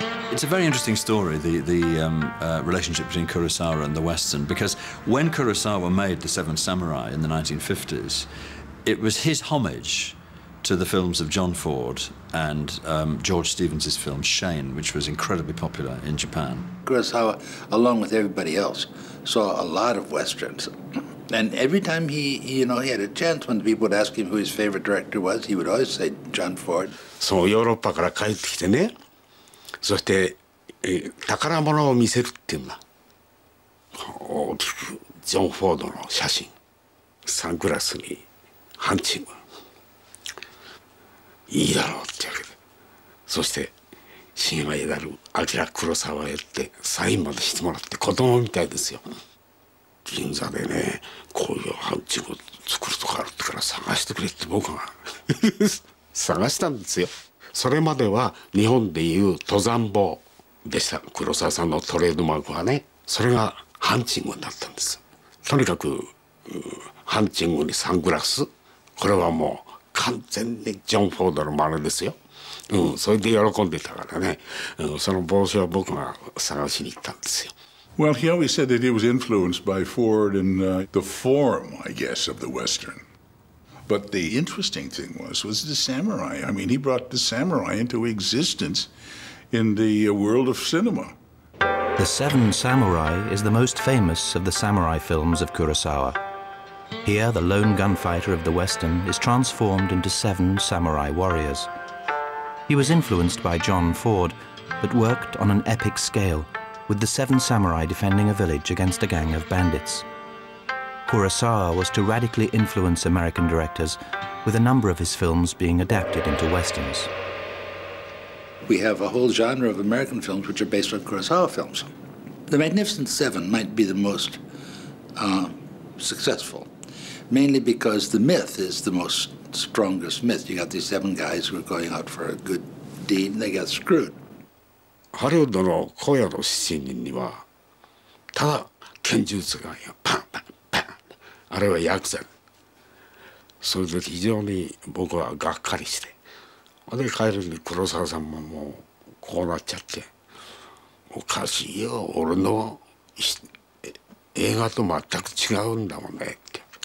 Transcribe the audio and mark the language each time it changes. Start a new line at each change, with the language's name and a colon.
English: It's a very interesting story, the relationship between Kurosawa and the Western, because when Kurosawa made The Seven Samurai in the 1950s, it was his homage to the films of John Ford and George Stevens's film Shane, which was incredibly popular in Japan. Kurosawa, along with everybody else, saw a lot of Westerns. And every time he had a chance, when people would ask him who his favorite director was, he would always say John Ford.
Japanese: So Europe から帰ってきてね、そして宝物を見せるっていうのは、大きくジョン・フォードの写真、サングラスにハンチング、いいだろうってわけで、そして親愛なるアキラ・クロサワへってサインまでしてもらって子供みたいですよ。銀座でね、こういうハンチング作るとかあるってから探してくれって僕が探したんですよ。それまでは日本でいう登山帽でした。黒沢さんのトレードマークはね、それがハンチングになったんです。とにかく、ハンチングにサングラス、これはもう完全にジョン・フォードの真似ですよ。うん、それで喜んでたからね、その帽子は僕が探しに行ったんですよ。
English: Well, he always said that he was influenced by Ford and the form, I guess, of the Western. But the interesting thing was the samurai. I mean, he brought the samurai into existence in the world of cinema. The Seven Samurai is the most famous of the samurai films of Kurosawa. Here, the lone gunfighter of the Western is transformed into seven samurai warriors. He was influenced by John Ford, but worked on an epic scale, with the seven samurai defending a village against a gang of bandits. Kurosawa was to radically influence American directors, with a number of his films being adapted into Westerns. We have a whole genre of American films which are based on Kurosawa films. The Magnificent Seven might be the most successful, mainly because the myth is the most strongest myth. You got these seven guys who are going out for a good deed, and they got screwed.
Japanese: ハリウッドの荒野の七人にはただ拳銃使いがパンパンパン、あれはヤクザ、それで非常に僕はがっかりして、で帰るに黒沢さんももうこうなっちゃって、おかしいよ、俺の映画と全く違うんだもんねって。